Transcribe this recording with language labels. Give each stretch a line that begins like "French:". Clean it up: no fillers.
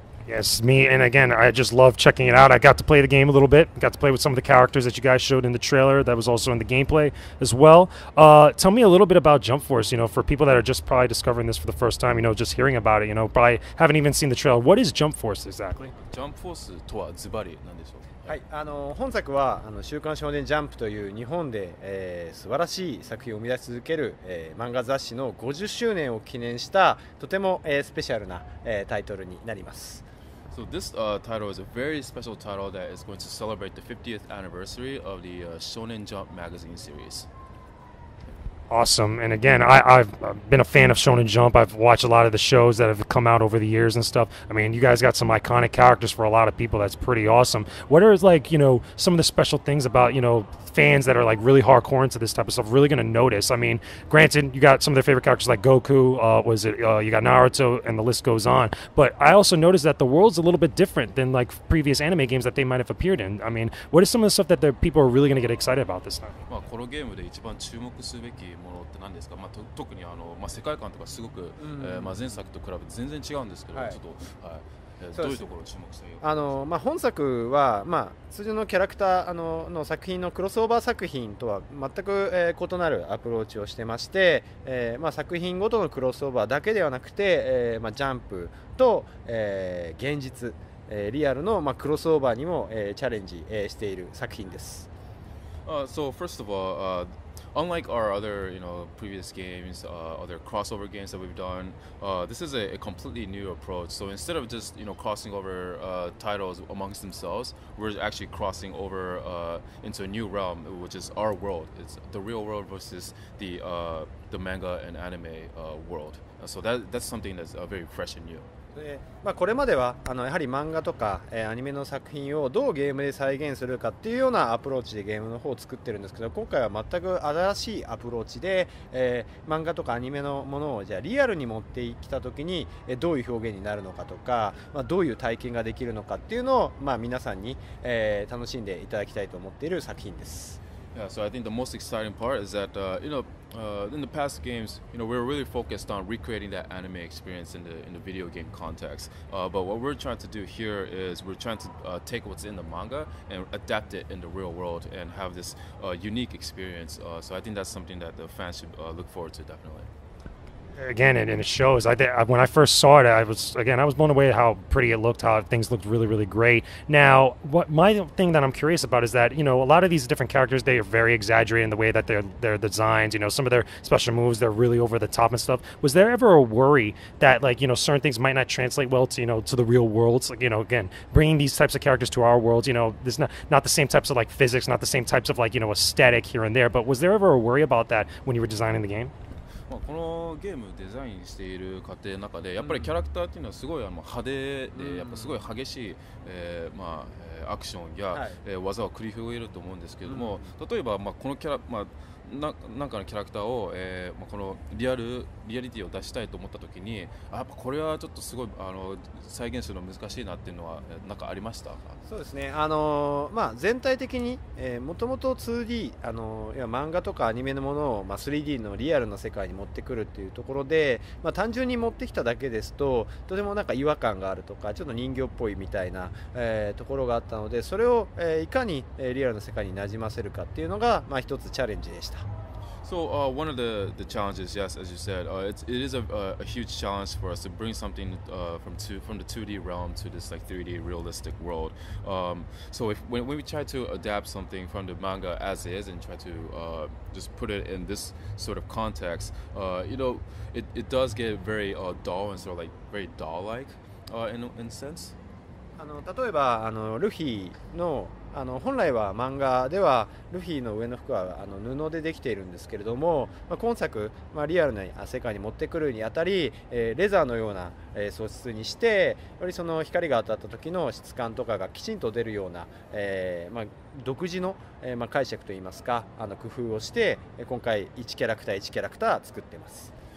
English: Yes, me, and again, I just love checking it out. I got to play the game a little bit. Got to play with some of the characters that you guys showed in the trailer that was also in the gameplay as well. Tell me a little bit about Jump Force, you know, for people that are just probably discovering this for the first time, you know, just hearing about it, you know, probably haven't even seen the trailer. What is Jump Force exactly?
Japanese: Jump Force とはズバリ何でしょう？はい、本作は週刊少年ジャンプという日本で、素晴らしい作品を生み出し続ける、漫画雑誌の50周年を記念したとても、スペシャルな、タイトルになります。
English: So this title is a very special title that is going to celebrate the 50th anniversary of the Shonen Jump magazine series. Awesome. And again, I've been a fan of Shonen Jump. I've watched a lot of the shows that have come out over the years and stuff. I mean, you guys got some iconic characters for a lot of people. That's pretty awesome. What are, like, you know, some of the special things about, you know, fans that are like really hardcore into this type of stuff really going to notice? I mean, granted, you got some of their favorite characters like Goku, you got Naruto, and the list goes on. But I also noticed that the world's a little bit different than like previous anime games that they might have appeared in. I mean, what is some of the stuff that the people are really going to get excited about this time?
Japanese: Well, このゲームで一番注目すべきものって何ですか？まあ、特にまあ、世界観とかすごく、まあ、前作と比べて全然違うんですけど、はい、ちょっと、はい、どういうところを注目したらいいか。本作は、まあ、通常のキャラクターの作品のクロスオーバー作品とは全く、異なるアプローチをしてまして、まあ、作品ごとのクロスオーバーだけではなくて、まあ、ジャンプと、現実、リアルの、まあ、クロスオーバーにも、チャレンジ、している作品です。
English: So first of all, unlike our other, you know, previous games, other crossover games that we've done, this is a completely new approach. So instead of just, you know, crossing over titles amongst themselves, we're actually crossing over into a new realm, which is our world. It's the real world versus the manga and anime world. So that's something that's very fresh and new.
Japanese: でまあ、これまではやはり漫画とか、アニメの作品をどうゲームで再現するかっていうようなアプローチでゲームの方を作ってるんですけど、今回は全く新しいアプローチで、漫画とかアニメのものをじゃあリアルに持ってきた時に、どういう表現になるのかとか、まあ、どういう体験ができるのかっていうのを、まあ、皆さんに、楽しんでいただきたいと思っている作品です。
English: Yeah, so I think the most exciting part is that, you know, in the past games, you know, we were really focused on recreating that anime experience in the video game context. But what we're trying to do here is we're trying to take what's in the manga and adapt it in the real world and have this unique experience. So I think that's something that the fans should look forward to, definitely. Again, and it shows. When I first saw it, I was blown away at how pretty it looked, how things looked really, really great. Now, what my thing that I'm curious about is that, you know, a lot of these different characters, they are very exaggerated in the way that they're designed. You know, some of their special moves, they're really over the top and stuff. Was there ever a worry that, like, you know, certain things might not translate well to, you know, to the real world? Like, you know, again, bringing these types of characters to our world, you know, there's not the same types of, like, physics, not the same types of, like, you know, aesthetic here and there. But was there ever a worry about that when you were designing the game?
Japanese: まあ、このゲームデザインしている過程の中でやっぱりキャラクターっていうのはすごい派手でやっぱすごい激しいまあアクションや技を繰り広げると思うんですけれども、例えばまあこのキャラまあなんかのキャラクターをまあこのリアリティを出したいと思った時にやっぱこれはちょっとすごい再現するの難しいなっていうのはなんかありました？そうですね、まあ、全体的にもともと 2D 漫画とかアニメのものを、まあ、3D のリアルの世界に持ってくるっていうところで、まあ、単純に持ってきただけですととてもなんか違和感があるとかちょっと人形っぽいみたいな、ところがあったので、それを、いかに、リアルの世界に馴染ませるかっていうのが、まあ、一つチャレンジでした。
English: So one of the challenges, yes, as you said, it is a huge challenge for us to bring something from the 2D realm to this like 3D realistic world. So when we try to adapt something from the manga as is and try to just put it in this sort of context, it does get very dull and sort of like very doll-like in a sense.
Japanese: 例えばルフィ の本来は漫画ではルフィの上の服は布でできているんですけれども、まあ、今作、まあ、リアルな世界に持ってくるにあたり、レザーのような、装飾にしてよりその光が当たった時の質感とかがきちんと出るような、まあ、独自の、まあ、解釈といいますか工夫をして今回1キャラクター1キャラクター作っています。